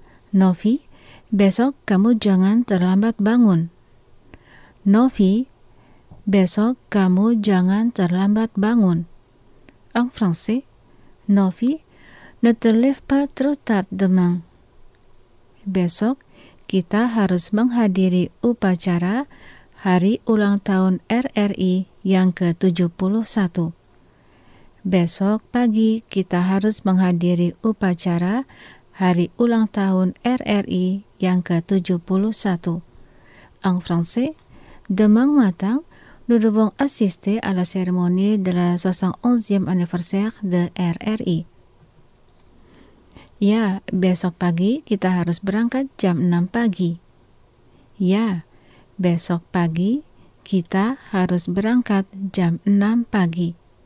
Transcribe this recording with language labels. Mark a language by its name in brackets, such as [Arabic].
[Indonesian] Nofi, besok kamu jangan terlambat bangun. Nofi, besok kamu jangan terlambat bangun. [French] En français, Nofi, ne te lève pas trop tard demain. [Indonesian] Besok, kita harus menghadiri upacara hari ulang tahun RRI yang ke-71. Besok pagi, kita harus menghadiri upacara hari ulang tahun RRI yang ke-71. [French] En français, demain matin, nous devons assister à la cérémonie de la 71e anniversaire de RRI. [Indonesian] Ya, besok pagi kita harus berangkat jam 6 pagi. Ya, besok pagi kita harus berangkat jam 6 pagi.